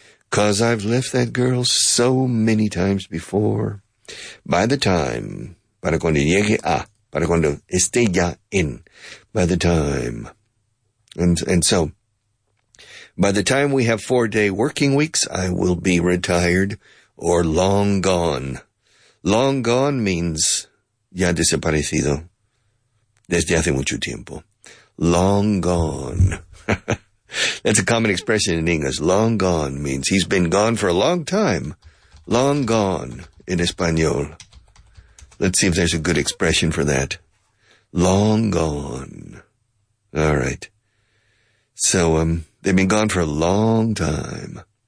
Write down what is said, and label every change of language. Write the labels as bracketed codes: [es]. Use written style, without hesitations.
[en] 'Cause I've left that girl so many times before. By the time, [es] para cuando llegue a, para cuando esté ya en, [en] by the time. And so, by the time we have 4-day working weeks, I will be retired or long gone. Long gone means [es] ya desaparecido desde hace mucho tiempo. [en] Long gone. That's a common expression in English. Long gone means he's been gone for a long time. Long gone in Espanol. Let's see if there's a good expression for that. Long gone. All right. So, they've been gone for a long time.